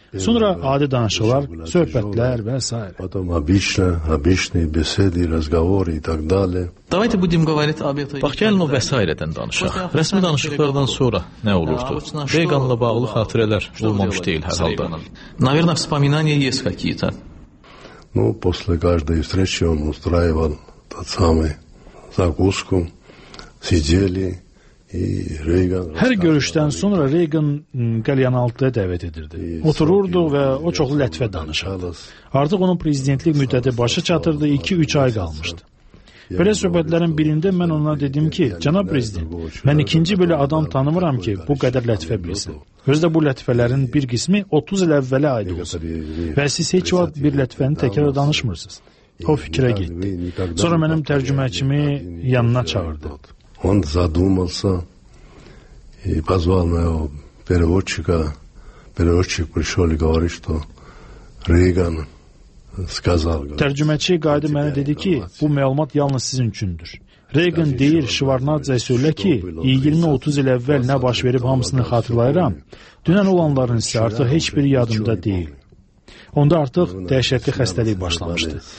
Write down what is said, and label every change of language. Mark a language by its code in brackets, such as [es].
[az] Sonra adi danışıqlar, söhbətlər və s. Bax, gəlin o vəsairədən danışaq. Rəsmi danışıqlardan sonra nə olurdu? Reaganla bağlı xatirələr olmamış deyil hər halda. [ru] Наверное, вспоминания есть какие-то. Ну, после каждой встречи он устраивал тот самый закуску, сидели и Рейган. [az] Hər görüşdən sonra Reagan qəlyanaltıya dəvət edirdi. Otururdu və o çox lətfə danışırdı. Artıq onun prezidentlik müddəti başa çatırdı, 2-3 ay qalmışdı. Belə söhbətlərin birində mən ona dedim ki, cənab prezident, mən ikinci belə adam tanımıram ki, bu qədər lətfə bilsin. Özdə bu lətfələrin bir qismi 30 il əvvələ aid olsun. Və siz heç vaxt bir lətfəni təkrar danışmırsınız. O fikrə getdi. Sonra mənim tərcüməçimi yanına çağırdı. [ru] Он задумался и позвал моего переводчика. Переводчик пришел и говорит, что Рейган сказал. [az] Tərcüməçi qayıdı mənə dedi ki, bu məlumat yalnız sizin üçündür. Reagan deyir, Şvarnadze söylə ki, 20-30 il əvvəl nə baş verib hamısını xatırlayıram. Dünən olanların isə artıq heç biri yadımda deyil. Onda artıq dəhşətli xəstəlik başlamışdı.